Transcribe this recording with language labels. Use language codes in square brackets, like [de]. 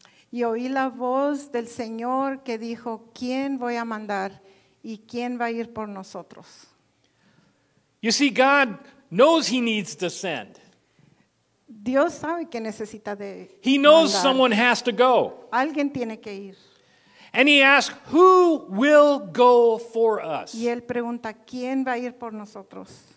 [es] Y oí la voz del Señor que dijo, ¿quién voy a mandar y quién va a ir por nosotros? [en] You see, God knows he needs to send. [es] Dios sabe que necesita de mandar. [en] He knows someone has to go. [es] Alguien tiene que ir. [en] And he asks, who will go for us? [es] Y él pregunta, ¿quién va a ir por nosotros?